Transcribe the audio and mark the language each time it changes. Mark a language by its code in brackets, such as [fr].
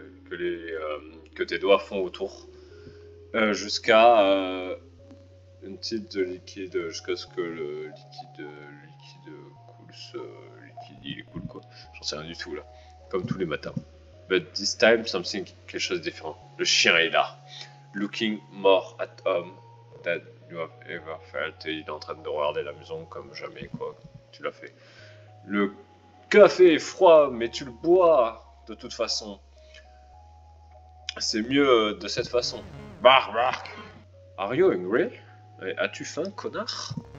[fr] Que tes doigts font autour. Jusqu'à une petite liquide, jusqu'à ce que le liquide coule, il coule quoi. J'en sais rien du tout là, comme tous les matins. [en] But this time, [fr] quelque chose de différent. Le chien est là. [en] Looking more at home than you have ever felt. [fr] Et il est en train de regarder la maison comme jamais, quoi. Tu l'as fait. Le café est froid, mais tu le bois de toute façon. C'est mieux de cette façon. [en] Bark, bark. Are you hungry? [fr] As-tu faim, connard?